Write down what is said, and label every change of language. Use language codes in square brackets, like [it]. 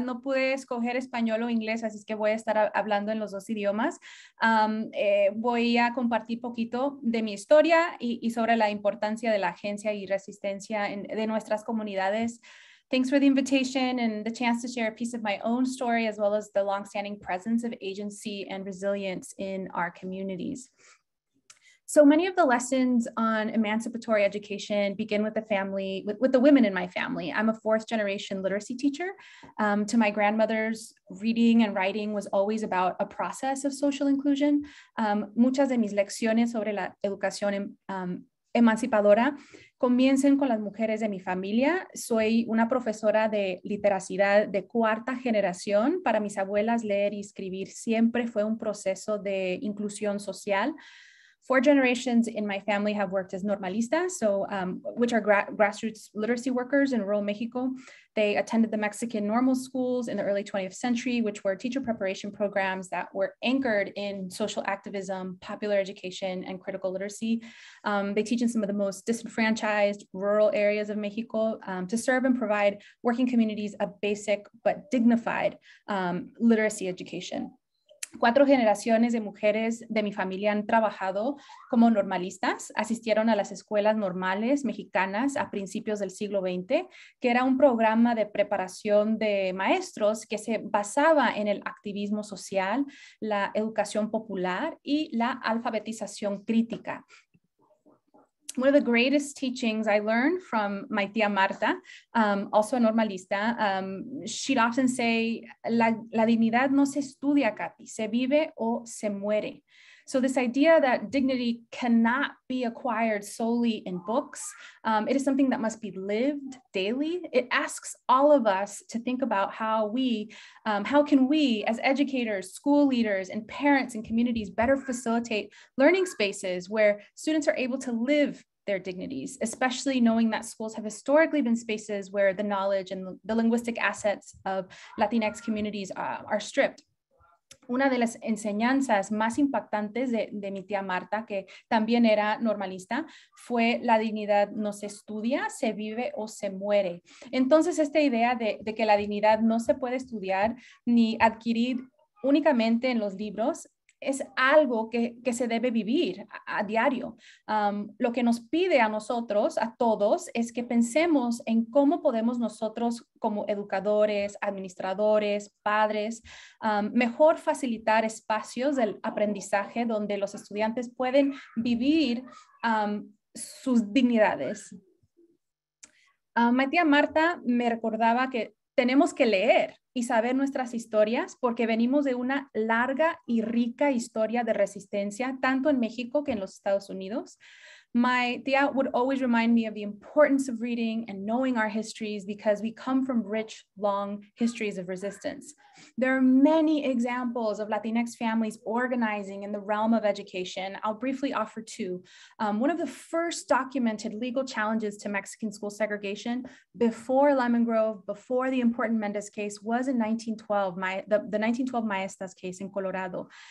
[es] No pude escoger español o inglés, así es que voy a estar hablando en los dos idiomas. Voy a compartir poquito de mi historia y sobre la importancia de la agencia y resistencia de nuestras comunidades. [en] Thanks for the invitation and the chance to share a piece of my own story, as well as the longstanding presence of agency and resilience in our communities. So many of the lessons on emancipatory education begin with the family, with the women in my family. I'm a fourth generation literacy teacher. To my grandmothers, reading and writing was always about a process of social inclusion. [es] Muchas de mis lecciones sobre la educación emancipadora comienzan con las mujeres de mi familia. Soy una profesora de literacidad de cuarta generación. Para mis abuelas, leer y escribir siempre fue un proceso de inclusión social. [en] Four generations in my family have worked as normalistas, which are grassroots literacy workers in rural Mexico. They attended the Mexican normal schools in the early 20th century, which were teacher preparation programs that were anchored in social activism, popular education, and critical literacy. They teach in some of the most disenfranchised rural areas of Mexico to serve and provide working communities a basic but dignified literacy education. [es] 4 generaciones de mujeres de mi familia han trabajado como normalistas, asistieron a las escuelas normales mexicanas a principios del siglo XX, que era un programa de preparación de maestros que se basaba en el activismo social, la educación popular y la alfabetización crítica. [en] One of the greatest teachings I learned from my tía Marta, also a normalista, she'd often say, [es] la dignidad no se estudia, Katy, se vive o se muere. [en] So this idea that dignity cannot be acquired solely in books, it is something that must be lived daily. It asks all of us to think about how can we as educators, school leaders, and parents and communities better facilitate learning spaces where students are able to live their dignities, especially knowing that schools have historically been spaces where the knowledge and the linguistic assets of Latinx communities are stripped. [es] Una de las enseñanzas más impactantes de mi tía Marta, que también era normalista, fue la dignidad no se estudia, se vive o se muere. Entonces, esta idea de que la dignidad no se puede estudiar ni adquirir únicamente en los libros, es algo que se debe vivir a diario. Lo que nos pide a nosotros, a todos, es que pensemos en cómo podemos nosotros como educadores, administradores, padres, mejor facilitar espacios del aprendizaje donde los estudiantes pueden vivir sus dignidades. Mi tía Marta me recordaba que tenemos que leer y saber nuestras historias porque venimos de una larga y rica historia de resistencia, tanto en México que en los Estados Unidos. [en] My tía would always remind me of the importance of reading and knowing our histories because we come from rich, long histories of resistance. There are many examples of Latinx families organizing in the realm of education. I'll briefly offer 2. One of the first documented legal challenges to Mexican school segregation before Lemon Grove, before the important Mendez case, was in 1912, the 1912 Maestas case in Colorado.